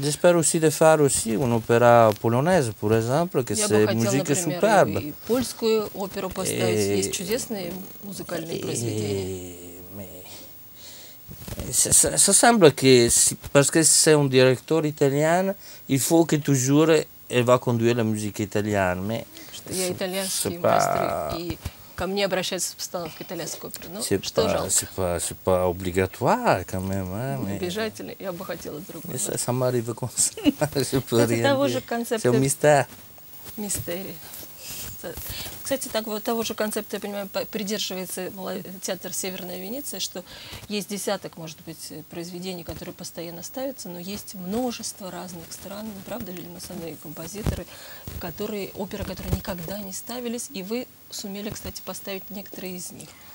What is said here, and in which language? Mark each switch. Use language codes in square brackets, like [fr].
[fr] J'espère aussi de faire aussi une opéra polonaise, par exemple, que c'est une musique superbe. [ru] Я бы хотела, например, и польскую оперу поставить. Есть чудесные музыкальные произведения. [fr] Ça semble que parce que c'est un directeur italien, il faut que toujours elle va conduire la musique italienne. Mais [ru] я итальянский мастер, и ко мне обращается постановка итальянской оперы. Ну, что жалко. [fr] C'est pas obligatoire quand même. [ru] Обязательно, я бы хотела другого. [fr] Ça m'arrive comme ça. C'est un mystère. Mystère. [ru] Кстати, так вот того же концепта, я понимаю, придерживается театр «Северная Венеция», что есть десяток, может быть, произведений, которые постоянно ставятся, но есть множество разных стран, не правда ли, на самом деле, композиторы, которые, оперы, которые никогда не ставились, и вы сумели, кстати, поставить некоторые из них.